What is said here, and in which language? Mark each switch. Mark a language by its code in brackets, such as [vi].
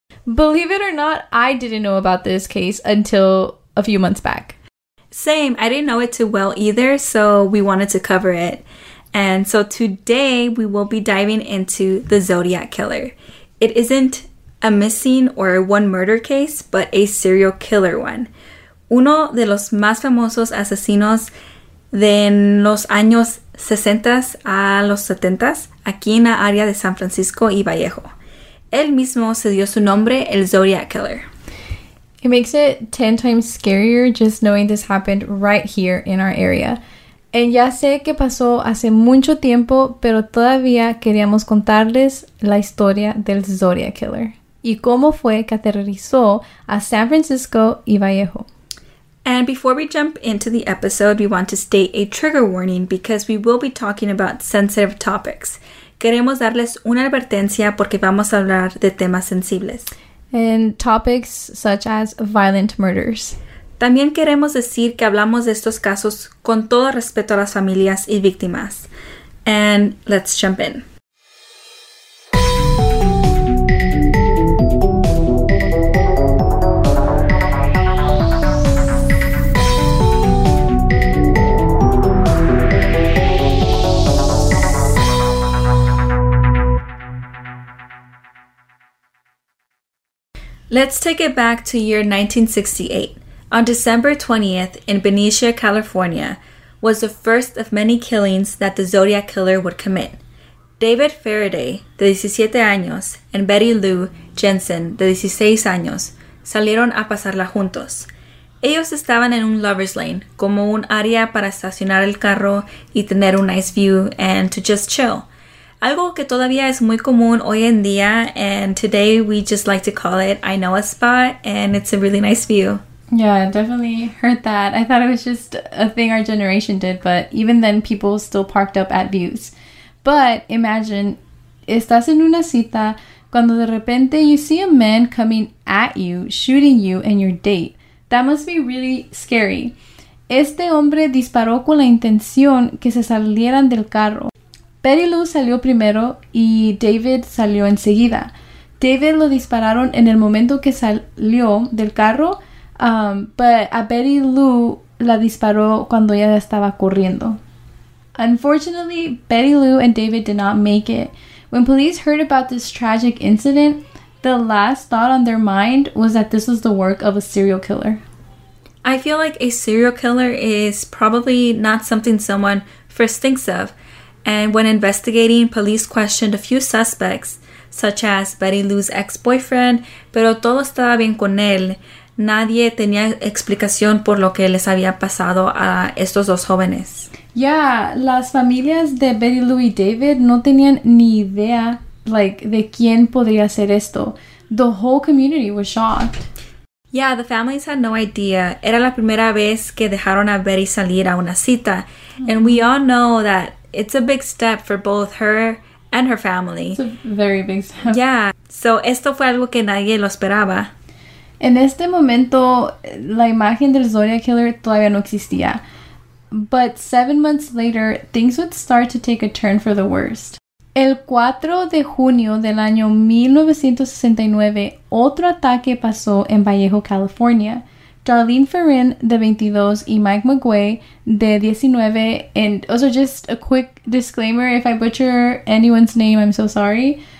[en] Believe it or not, I didn't know about this case until a few months back. Same, I didn't know it too well either, so we wanted to cover it. And so today we will be diving into the Zodiac Killer. It isn't a missing or one murder case, but a serial killer one. [es] Uno de los más famosos asesinos de los años 60s a los 70s, aquí en la área de San Francisco y Vallejo. Él mismo se dio su nombre, el Zodiac Killer. [en] It makes it 10 times scarier just knowing this happened right here in our area. [es] And ya sé que pasó hace mucho tiempo, pero todavía queríamos contarles la historia del Zodiac Killer y cómo fue que aterrorizó a San Francisco y Vallejo. [en] And before we jump into the episode, we want to state a trigger warning because we will be talking about sensitive topics. [es] Queremos darles una advertencia porque vamos a hablar de temas sensibles. [en] And topics such as violent murders. [es] También queremos decir que hablamos de estos casos con todo respeto a las familias y víctimas. [en] And let's jump in. Let's take it back to year 1968. On December 20th, in Benicia, California, was the first of many killings that the Zodiac Killer would commit. [es] David Faraday, de 17 años, and Betty Lou Jensen, de 16 años, salieron a pasarla juntos. Ellos estaban en un lover's lane, como un área para estacionar el carro y tener un [en] nice view and to just chill. [es] Algo que todavía es muy común hoy en día, [en] and today we just like to call it, I know a spot, and it's a really nice view. Yeah, definitely heard that. I thought it was just a thing our generation did, but even then people still parked up at views. But imagine, [es] estás en una cita, cuando de repente [en] you see a man coming at you, shooting you and your date. That must be really scary. [es] Este hombre disparó con la intención que se salieran del carro. Betty Lou salió primero y David salió enseguida. David lo dispararon en el momento que salió del carro, but a Betty Lou la disparó cuando ella estaba corriendo. [en] Unfortunately, Betty Lou and David did not make it. When police heard about this tragic incident, the last thought on their mind was that this was the work of a serial killer. I feel like a serial killer is probably not something someone first thinks of. And when investigating, police questioned a few suspects, such as Betty Lou's ex-boyfriend, [es] pero todo estaba bien con él. Nadie tenía explicación por lo que les había pasado a estos dos jóvenes. Yeah, las familias de Betty Lou y David no tenían ni idea, like, de quién podría hacer esto. [en] The whole community was shocked. Yeah, the families had no idea. [es] Era la primera vez que dejaron a Betty salir a una cita. Mm-hmm. [en] And we all know that it's a big step for both her and her family. It's a very big step. Yeah. [es] So, esto fue algo que nadie lo esperaba. En este momento, la imagen del Zodiac Killer todavía no existía. [en] But 7 months later, things would start to take a turn for the worst. [es] El 4 de junio del año 1969, otro ataque pasó en Vallejo, California. [en] Darlene Ferrin, [es] de 22, y Mike McGuay, de 19, [en] and also just a quick disclaimer, if I butcher anyone's name, I'm so sorry,